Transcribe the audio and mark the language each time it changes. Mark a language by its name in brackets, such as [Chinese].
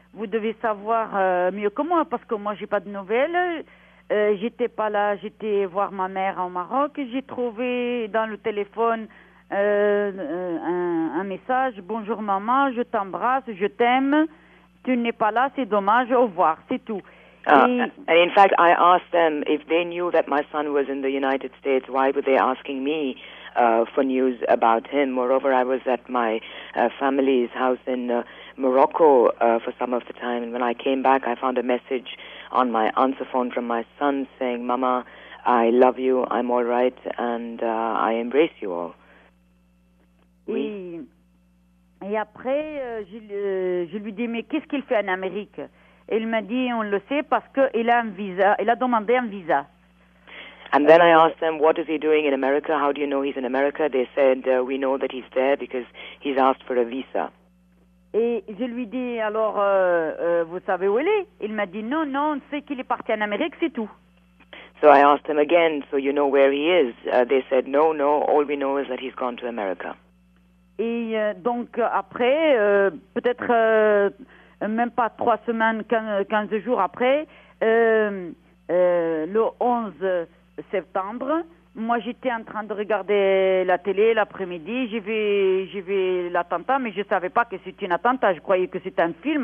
[French] Vous devez savoir mieux que moi, parce que moi, j'ai pas de nouvelles. J'étais pas là, j'étais voir ma mère au Maroc. J'ai trouvé dans le téléphone... un message, bonjour maman, je t'embrasse, je t'aime, tu n'es pas là, c'est dommage, au revoir, c'est tout. [English] And in fact, I asked them if they knew that my son was in the United States, why were they asking me for news about him? Moreover, I was at my family's house in Morocco for some of the time, and when I came back, I found a message on my answer phone from my son saying, Mama, I love you, I'm all right, and I embrace you all. [French] Oui. Et après, je lui dis, mais qu'est-ce qu'il fait en Amérique? Et il m'a dit, on le sait parce qu'il a un visa, il a demandé un visa. [English] And then I asked them, what is he doing in America? How do you know he's in America? They said, we know that he's there because he's asked for a visa. [French] Et je lui dis, alors, vous savez où il est? Il m'a dit, non, on sait qu'il est parti en Amérique, c'est tout. [English] So I asked them again, so you know where he is. They said, no, no, all we know is that he's gone to America. [French] Et donc après, peut-être même pas trois semaines, quinze jours après, le 11 septembre, moi j'étais en train de regarder la télé l'après-midi, j'ai vu l'attentat, mais je ne savais pas que c'était un attentat, je croyais que c'était un film.